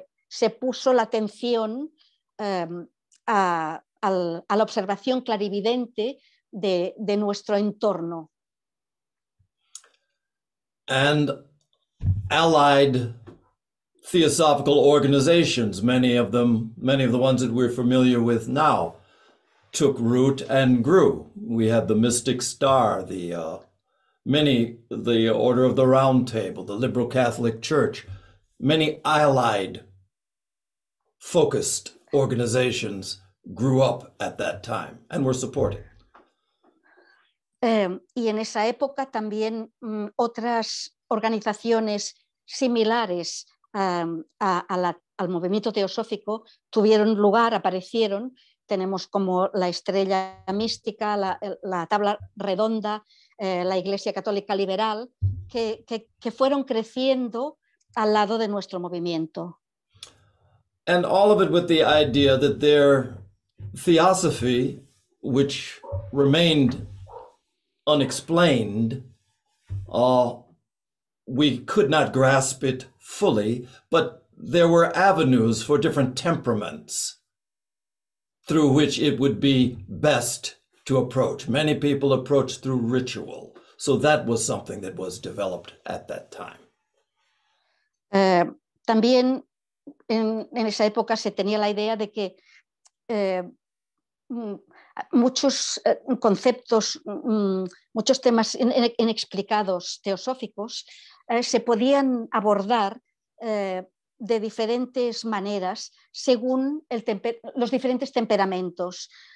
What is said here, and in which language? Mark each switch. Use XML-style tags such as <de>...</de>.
<es>Se puso la atención a la observación clarividente de nuestro entorno.</es> <en>And allied theosophical organizations, many of the ones that we're familiar with now, took root and grew. We have the Mystic Star, the Order of the Round Table, the Liberal Catholic Church, many allied focused organizations grew up at that time and were supported.</en> <es>Y en esa época también otras organizaciones similares al movimiento teosófico tuvieron lugar, aparecieron. Tenemos como la Estrella Mística, la Tabla Redonda, la Iglesia Católica Liberal, que fueron creciendo al lado de nuestro movimiento.</es> <en>And all of it with the idea that their theosophy, which remained unexplained, we could not grasp it fully, but there were avenues for different temperaments through which it would be best to approach. Many people approach through ritual. So that was something that was developed at that time.</en> <es>También en esa época se tenía la idea de que muchos conceptos, muchos temas inexplicados teosóficos se podían abordar de diferentes maneras según los diferentes temperamentos.</es>